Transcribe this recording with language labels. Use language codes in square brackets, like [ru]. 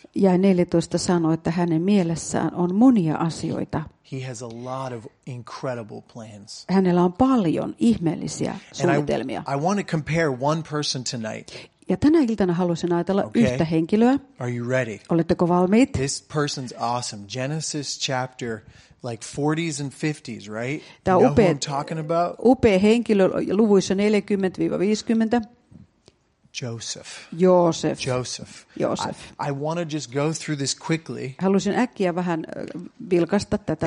[fi] Ja 14 sanoo, että hänen mielessään on monia asioita. [en] He has a lot of incredible plans. [fi] Hänellä on paljon ihmeellisiä suunnitelmia. [en] And I want to compare one person tonight. [fi] Ja tänä iltana haluaisin ajatella [en] okay. [fi] yhtä henkilöä. [en] Are you ready? [fi] Oletteko valmiit? [en] This person's awesome. Genesis chapter like 40s and 50s, right? [fi] Tämä [en] you know who I'm talking about? [fi] Upea henkilö luvuissa 40-50. [en] Joseph. Joseph. Joseph. Joseph. I want to just go through this quickly. [fi] Haluaisin äkkiä vähän vilkaista tätä